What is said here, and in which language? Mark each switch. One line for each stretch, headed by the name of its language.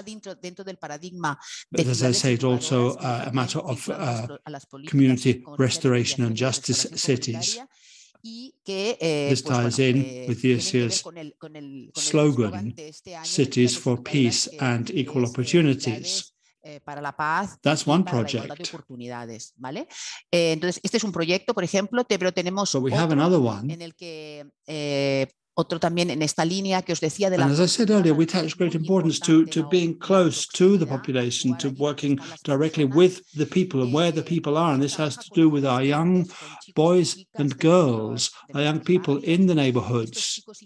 English: But as I say, it's also a matter of community restoration and justice cities. This ties in with this year's slogan, Cities for Peace and Equal Opportunities.
Spanish: Para la paz,
English: that's one project.
Spanish: De oportunidades, ¿vale? Entonces, este es un proyecto, por ejemplo, pero tenemos
English: so we have another one.
Spanish: En el que, otro también en esta línea que os decía de
English: la. And as I said earlier, we attach great importance to being close to the population, to working directly with the people and where the people are. And this has to do with our young boys and girls, our young people in the neighborhoods.